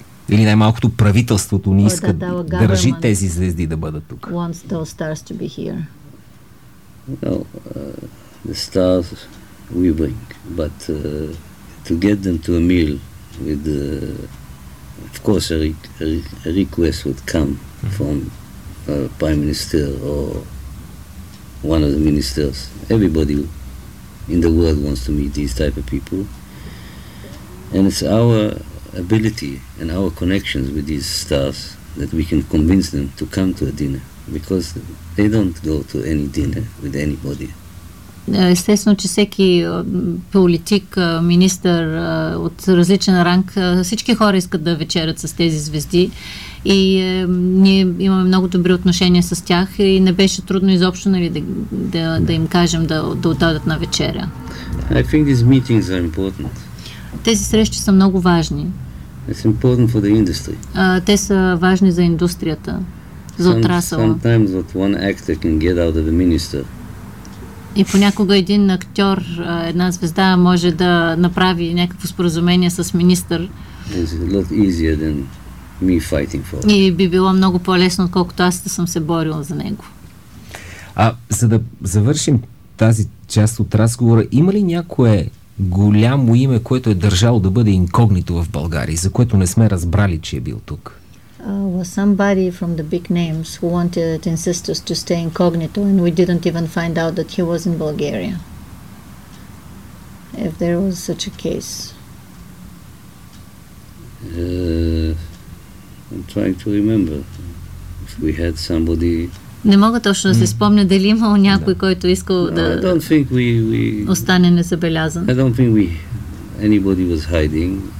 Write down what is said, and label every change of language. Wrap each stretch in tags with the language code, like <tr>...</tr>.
<bg>Или най-малкото правителството ни иска да държи тези звезди да бъдат тук.</bg> <en>Wants those stars to be here. Well, the stars we bring, but to get them to a meal with the, of course a request would come from a prime minister or one of the ministers. Everybody in the world wants to meet these type of people. And it's our ability and our connections with these stars that we can convince them to come to a dinner because they don't go to any dinner with anybody.</en> <bg>Естествено, че всеки политик, министър от различен ранг, всички хора искат да вечерят с тези звезди и ние имаме много добри отношения с тях и не беше трудно изобщо, нали, да им кажем да отдадат на вечеря.</bg> <en>I think these meetings are important.</en> <bg>Тези срещи са много важни.</bg> <en>It's important for the industry.</en> <bg>Те са важни за индустрията, за отрасъла.</bg> <en>Sometimes what one actor can get out of a minister.</en> <bg>И понякога един актьор, една звезда може да направи някакво споразумение с министър.</bg> <en>It's a lot easier than me fighting for.</en> <bg>И би било много по-лесно, отколкото аз да съм се борила за него. За да завършим тази част от разговора, има ли някое голямо име, което е държало да бъде инкогнито в България, за което не сме разбрали, че е бил тук?</bg> <en>Was somebody from the big names who wanted to insist us to stay incognito and we didn't even find out that he was in Bulgaria. If there was such a case. I'm trying to remember if we had somebody.</en> <bg>Не мога точно да се спомня дали имал някой, който искал да остане незабелязан.</bg> <en>I don't think anybody was hiding.</en>